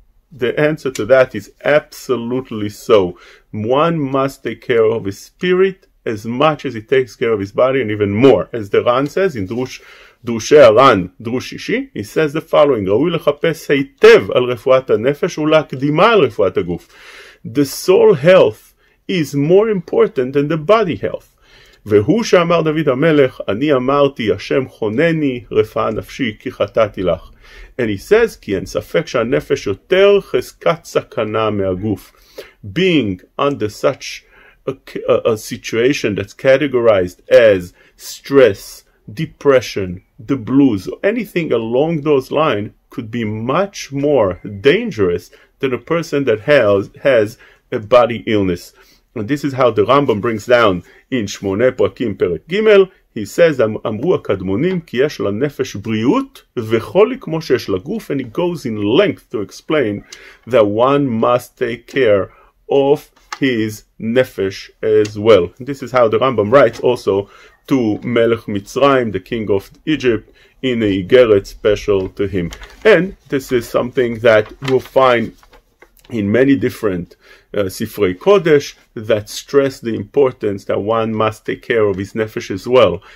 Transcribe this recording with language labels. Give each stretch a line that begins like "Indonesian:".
English: The answer to that is absolutely so. One must take care of his spirit as much as he takes care of his body, and even more. As the Ran says in Drushei Ran, Drush Shishi, he says the following,
Hebrew: ראוי לחפש היטב על רפואת הנפש ולהקדימה על רפואת הגוף.
English: The soul health is more important than the body health.
Hebrew: והוא שאמר דוד המלך, אני אמרתי, השם חונני רפאה נפשי כי חטאתי לך.
English: And he says,
Hebrew: כי אין ספק שהנפש יותר חזקת סכנה מהגוף.
English: Being under such a situation that's categorized as stress, depression, the blues, or anything along those lines could be much more dangerous than a person that has a body illness. And this is how the Rambam brings down in Shmoneh Prakim Perek Gimel. He says,
Hebrew: אמרו הקדמונים כי יש לנפש בריאות וחולי כמו שיש לגוף.
English: And he goes in length to explain that one must take care of his nefesh as well. This is how the Rambam writes also to Melech Mitzrayim, the king of Egypt, in a Igeret special to him. And this is something that we'll find in many different Sifrei Kodesh, that stress the importance that one must take care of his nefesh as well.